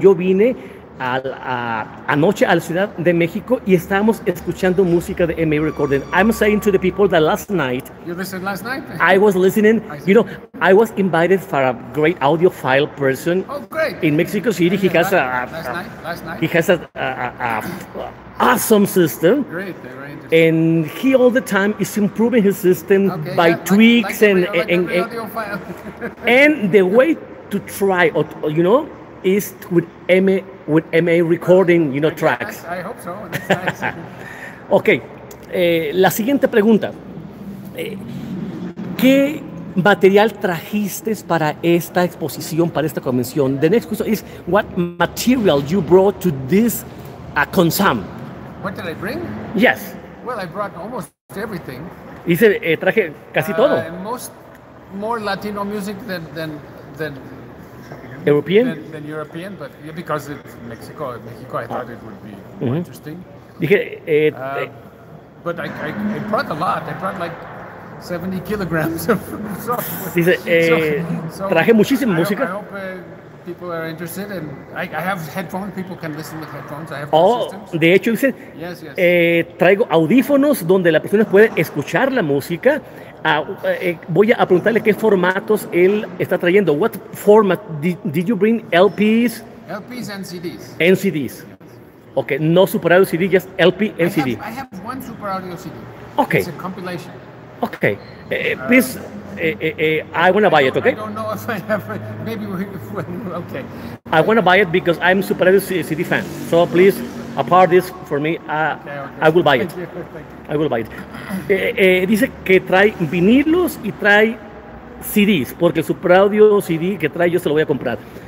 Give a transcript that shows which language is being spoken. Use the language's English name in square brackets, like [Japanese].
[Spanish] Yo vine anoche a la Ciudad de México y estábamos escuchando música de MA Recording. [English] I'm saying to the people that last night. You listened last night? I was listening. You know, I was invited for a great audiophile person. Oh, great. In Mexico City. Yeah, He has an awesome system. Great. Very interesting. And he all the time is improving his system by tweaks and the way to try, or you know, is with MA Recording, you know, tracks. I hope so. Nice. [Spanish] Okay. La siguiente pregunta. ¿Qué material trajiste para esta exposición, para esta convención? [English] The next question is, what material you brought to this consam? What did I bring? Yes. Well, I brought almost everything. [Spanish] Dice, traje casi todo. [English] More Latino music than European? Than European, but yeah, because it's Mexico, I thought it would be more interesting. [Spanish] Dije, [English] but I brought a lot. I brought like 70 kilograms of software. [Spanish] Dice, traje muchísima música. [English] I hope people are interested, and I have headphones. People can listen with headphones. I have [Spanish] systems. De hecho, dice, [English] yes. [Spanish] Traigo audífonos donde la persona puede escuchar la música. Voy a preguntarle qué formatos él está trayendo. [English] What format did you bring? LPs? LPs and CDs. And CDs. Yes. Okay, no super audio CD, just LP and CD. I have one super audio CD. Okay. It's a compilation. Okay. Please, I want to buy it, okay? I don't know if I have it. Maybe we okay. I want to buy it because I'm super audio CD fan. So please, apart this for me, I will buy it. Thank you. I will buy it. [Spanish] Dice que trae vinilos y trae CDs, porque el Super Audio CD que trae yo se lo voy a comprar.